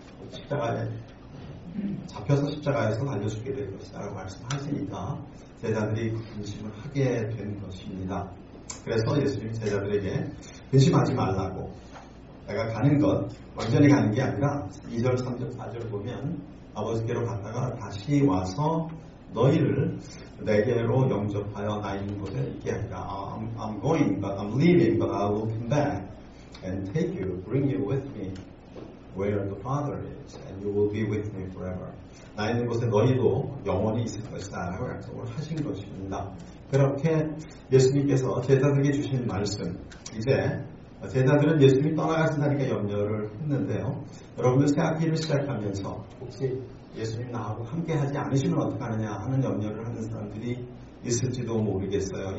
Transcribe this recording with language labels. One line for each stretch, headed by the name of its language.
Korean: 십자가에 잡혀서 십자가에서 달려죽게 될 것이다 라고 말씀하시니까 제자들이 근심을 하게 된 것입니다. 그래서 예수님이 제자들에게 근심하지 말라고 내가 가는 것 완전히 가는 게 아니라 2절 3절 4절 보면 아버지께로 갔다가 다시 와서 너희를 내게로 영접하여 나 있는 곳에 있게 하리라.
English: I'm going, but I'm leaving, but I will come back and take you, bring you with me where the Father is, and you will be with me forever.
Korean: 나 있는 곳에 너희도 영원히 있을 것이다. 라고 약속을 하신 것입니다. 그렇게 예수님께서 제자들에게 주신 말씀. 이제 제자들은 예수님이 떠나가신다니까 염려를 했는데요. 여러분들 새 학기를 시작하면서 혹시 예수님 나하고 함께 하지 않으시면 어떡하느냐 하는 염려를 하는 사람들이 있을지도 모르겠어요.